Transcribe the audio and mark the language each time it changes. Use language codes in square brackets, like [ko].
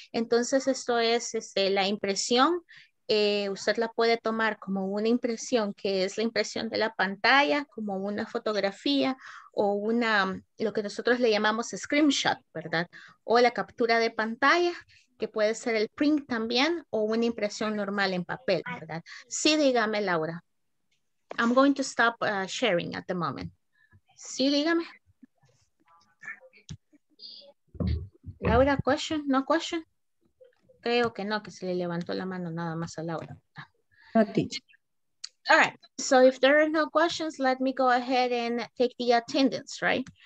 [es] Entonces, esto es la impresión. Usted la puede tomar como una impresión, que es la impresión de la pantalla, como una fotografía o una, lo que nosotros le llamamos screenshot, ¿verdad? O la captura de pantalla, que puede ser el print también, o una impresión normal en papel, ¿verdad? Sí, dígame, Laura. [en] I'm going to stop sharing at the moment. [es] Sí, dígame. [en] Laura, question? No question? [es] Creo que no, que se le levantó la mano nada más a Laura. [en] No, teacher. All right, so if there are no questions, let me go ahead and take the attendance, right?